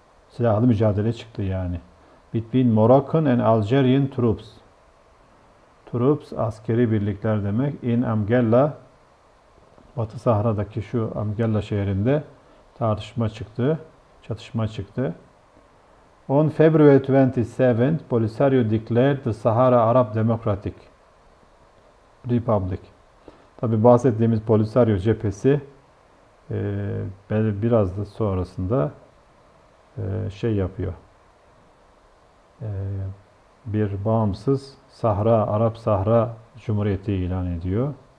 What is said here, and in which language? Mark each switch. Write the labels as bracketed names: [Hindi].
[Turkish] Silahlı mücadele çıktı yani. Between Moroccan and Algerian troops. Troops, askeri birlikler demek. In Amgella, Batı Sahra'daki şu Amgella şehrinde tartışma çıktı, çatışma çıktı. [English] On February 27, Polisario declared the Sahara Arab Democratic Republic. [Turkish] Tabi bahsettiğimiz Polisario cephesi biraz da sonrasında şey yapıyor. Bir bağımsız Sahra, Arap Sahra Cumhuriyeti ilan ediyor.